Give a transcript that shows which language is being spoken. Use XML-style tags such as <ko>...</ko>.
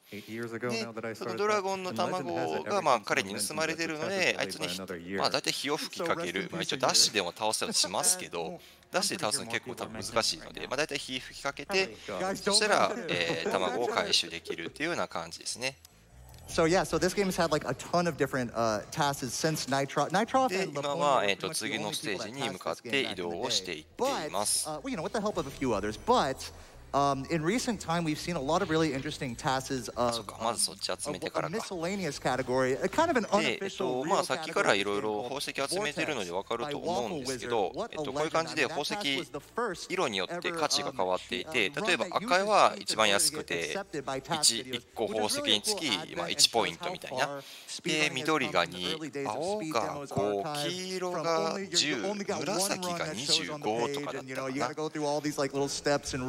<ja>でそのドラゴンの卵がまあ彼に盗まれてるので、あいつに、まあ、大体火を吹きかける、まあ、一応ダッシュでも倒せたりしますけど、ダッシュで倒すの結構多分難しいので、まあ、大体火吹きかけて、そしたら、卵を回収できるっていうような感じですね。</ja> <en>So yeah, so this game has had like a ton of different tasks since Nitro.</en> <ja>で今は次のステージに向かって移動をしていっています。</ja> <en>Well, you know, with the help of a few others, but in recent time we've seen a lot of really interesting tasks of miscellaneous category, kind of an unofficial.</en> <ja>まあさっきからいろいろ宝石集めてるので分かると思うんですけど、こういう感じで宝石色によって価値が変わっていて、例えば赤いは一番安くて1個宝石につき1ポイントみたいな。で緑が2、青が5、黄色が10、紫が25とかだったかな。</ja>